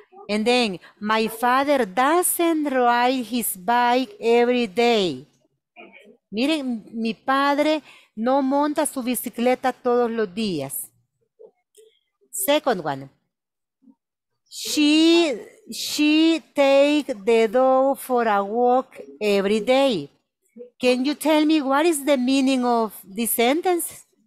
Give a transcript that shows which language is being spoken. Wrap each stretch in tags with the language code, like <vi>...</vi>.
<en>And then, my father doesn't ride his bike every day.</en> <es>Miren, mi padre no monta su bicicleta todos los días.</es> <en>Second one. She take the dog for a walk every day. Can you tell me what is the meaning of this sentence?</en>